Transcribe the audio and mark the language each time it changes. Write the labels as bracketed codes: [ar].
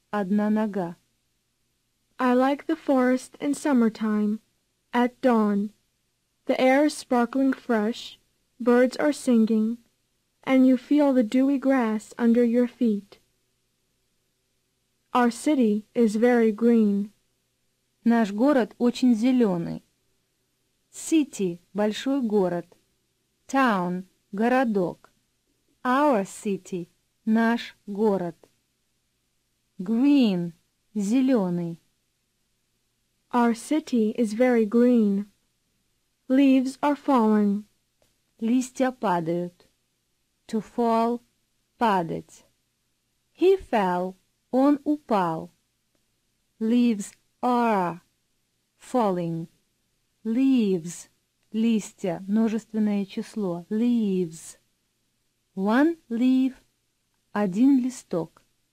[ru] Одна нога. [en] I like the forest in summertime. At dawn. The air is sparkling fresh. Birds are singing. And you feel the dewy grass under your feet. Our city is very green. [ru] Наш город очень зеленый. City – большой город. Town – городок. [en] Our city [ru] – наш город. Green – зеленый. [en] Our city is very green. Leaves are falling. [ru] Листья падают. [en] To fall – падать. He fell [ru] – он упал. [en] Leaves are falling. [ru] Leaves – листья, множественное число. [en] Leaves. One leaf [ru] – один листок.